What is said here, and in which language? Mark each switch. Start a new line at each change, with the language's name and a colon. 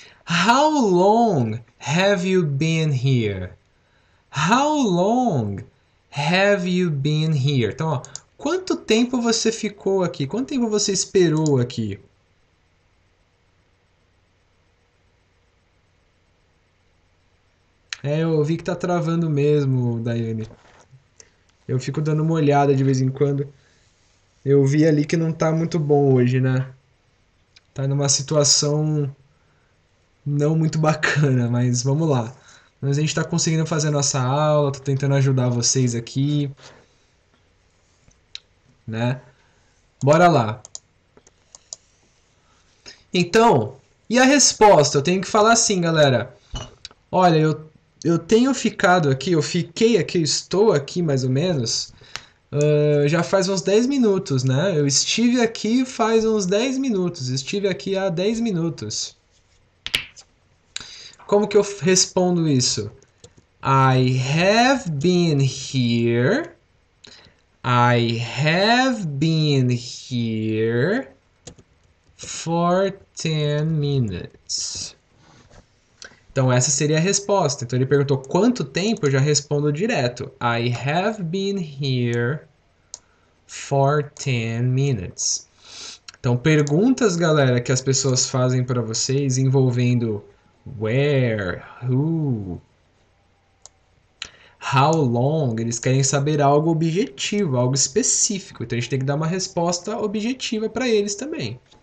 English: How long have you been here? How long have you been here?
Portuguese: Então, ó, quanto tempo você ficou aqui? Quanto tempo você esperou aqui? É, eu vi que tá travando mesmo, Daiane. Eu fico dando uma olhada de vez em quando. Eu vi ali que não tá muito bom hoje, né? Tá numa situação não muito bacana, mas vamos lá. Mas a gente tá conseguindo fazer nossa aula, tô tentando ajudar vocês aqui, né? Bora lá. Então, e a resposta? Eu tenho que falar assim, galera. Olha, eu tenho ficado aqui, eu fiquei aqui, estou aqui mais ou menos, já faz uns 10 minutos, né? Eu estive aqui faz uns 10 minutos, estive aqui há 10 minutos. Como que eu respondo isso?
English: I have been here. I have been here for 10 minutes.
Portuguese: Então essa seria a resposta. Então ele perguntou quanto tempo, eu já respondo direto.
English: I have been here for 10 minutes.
Portuguese: Então perguntas, galera, que as pessoas fazem para vocês envolvendo where, who, how long? Eles querem saber algo objetivo, algo específico. Então a gente tem que dar uma resposta objetiva para eles também.